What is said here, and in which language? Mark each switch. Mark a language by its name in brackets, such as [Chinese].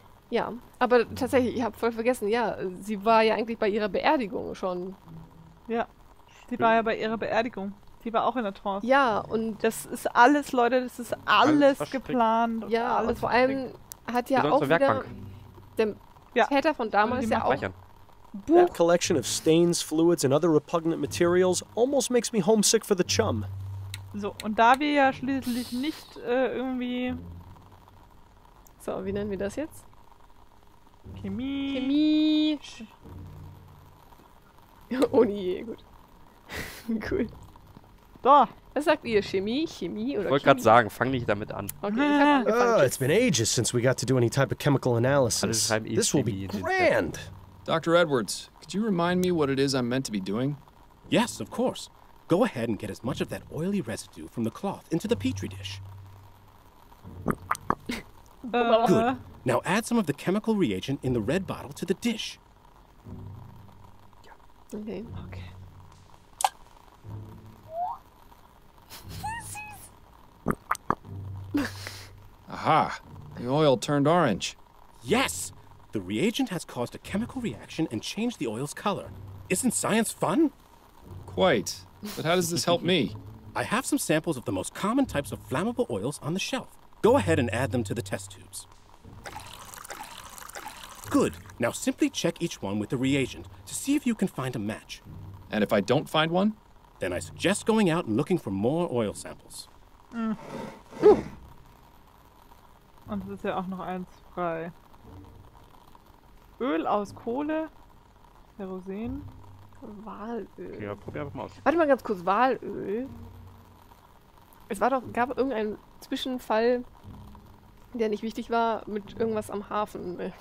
[German] Ja, aber tatsächlich, ich habe voll vergessen, ja, sie war ja eigentlich bei ihrer Beerdigung schon. Ja, sie war ja bei ihrer Beerdigung. Die war auch in der Trance. Ja, und das ist alles, Leute, das ist alles geplant. Ja, alles und vor allem hat ja auch wieder... Der Täter von damals ja auch... [English] That collection of stains, fluids and other repugnant materials almost makes me homesick for the chum. [German] So, und da wir ja schließlich nicht irgendwie... So, wie nennen wir das jetzt? Chemie. Ohne je, gut. Cool. Da. Was sagt ihr? Chemie oder Chemie? Ich wollte gerade sagen, fang nicht damit an. Okay, [English] it's been ages since we got to do any type of chemical analysis. Also, this will be grand! Dr. Edwards, could you remind me what it is I'm meant to be doing? Yes, of course. Go ahead and get as much of that oily residue from the cloth into the petri dish. Good. Now add some of the chemical reagent in the red bottle to the dish. Okay. Aha! The oil turned orange. Yes! The reagent has caused a chemical reaction and changed the oil's color. Isn't science fun? Quite. But how does this help me? I have some samples of the most common types of flammable oils on the shelf. Go ahead and add them to the test tubes. Good. Now simply check each one with the reagent to see if you can find a match. And if I don't find one? Then I suggest going out and looking for more oil samples. [German] Und es ist ja auch noch eins frei. Öl aus Kohle, Kerosin, Walöl. Ja, probier einfach mal aus. Warte mal ganz kurz, Walöl. Es war doch, gab irgendeinen Zwischenfall, der nicht wichtig war, mit irgendwas am Hafen.